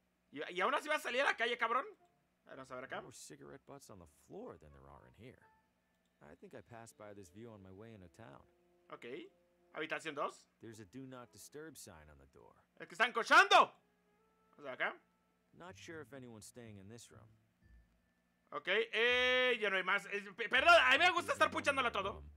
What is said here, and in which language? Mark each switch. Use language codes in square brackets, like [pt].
[es] Y aún así va a salir a la calle, cabrón. Vamos a ver acá. [en] More cigarette butts on the floor than there are in here. I think I passed by this view on my way into town. [es] Okay. Habitación 2. [en] There's a do not disturb sign on the door. [es] Es que están cochando. Vamos a ver acá. [en] Not sure if anyone's staying in this room. [es] Okay. Ya no hay más. Perdón, a mí me gusta estar puchándolo todo.